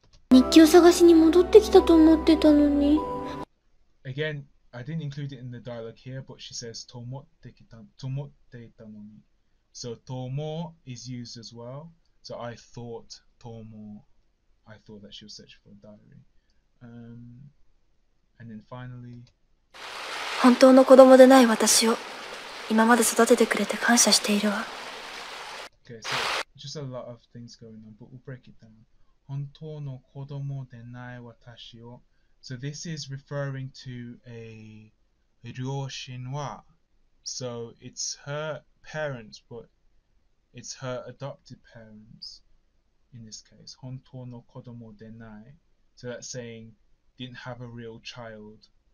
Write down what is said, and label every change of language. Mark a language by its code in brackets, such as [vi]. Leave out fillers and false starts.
[ja] 日記を探しに戻ってきたと思ってたのに。 [en] Again, I didn't include it in the dialogue here, but she says [ja] と思っていたのに。 [en] So, と思 is used as well. So, I thought と思 I thought that she was searching for a diary. And then finally, [ja] 本当の子供でない私を今まで育ててくれて感謝しているわ。 [en] Okay, so just a lot of things going on, but we'll break it down. [ja] 本当の子供でない私を。 [en] So this is referring to a 両親は。 So it's her parents, but it's her adopted parents in this case. [ja] 本当の子供でない。 [en] So that's saying didn't have a real child.